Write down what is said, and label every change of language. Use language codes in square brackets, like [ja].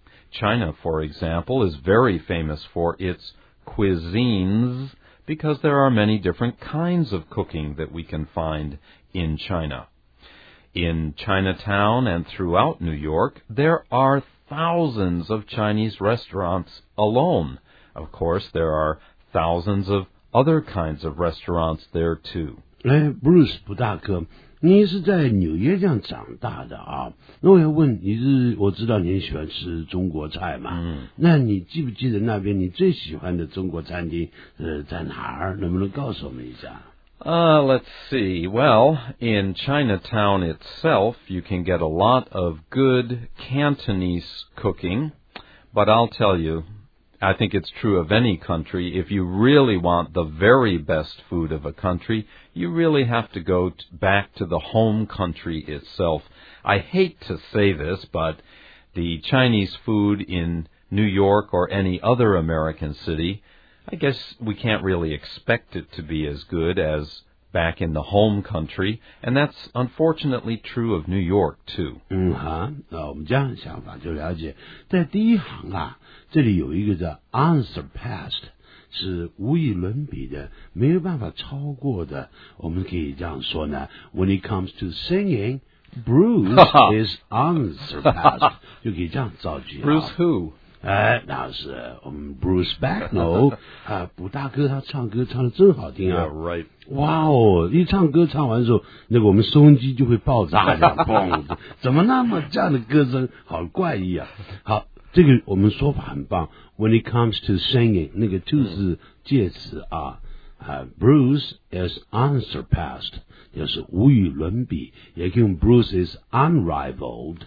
[en] China, for example, is very famous for its cuisines because there are many different kinds of cooking that we can find in China. In Chinatown and throughout New York, there are thousands of Chinese restaurants alone. Of course, there are thousands of other kinds of restaurants there too. [zh] Bruce, 不大哥你是在纽约这样长大的啊？那我要问你是，我知道你很喜欢吃中国菜嘛？嗯，那你记不记得那边你最喜欢的中国餐厅在哪儿？能不能告诉我们一下？ [en] Let's see. Well, in Chinatown itself, you can get a lot of good Cantonese cooking. But I'll tell you, I think it's true of any country. If you really want the very best food of a country. You really have to go back to the home country itself. I hate to say this, but the Chinese food in New York or any other American city, I guess we can't really expect it to be as good as back in the home country. And that's unfortunately true of New York, too. [zh] 嗯哼，那我们这样想法就了解。在第一行啊，这里有一个叫 unsurpassed. 是无以伦比的，没有办法超过的。我们可以这样说呢 ， [en] When it comes to singing, Bruce is unsurpassed， [zh] 就可以这样造句。 [en] Bruce who？ [zh] 哎，那是我们 Bruce Bagnall 啊，卜大哥他唱歌唱得真好听啊 [en] yeah, ，Right？ [zh] 哇哦，一唱歌唱完之后，那个我们收音机就会爆炸的，嘣！怎么那么这样的歌声，好怪异啊！好。这个我们说法很棒 [en] When it comes to singing [zh] 那个 to 是介词啊、 [en] Bruce is unsurpassed [zh] 就是无与伦比也可以用 [en] Bruce is unrivaled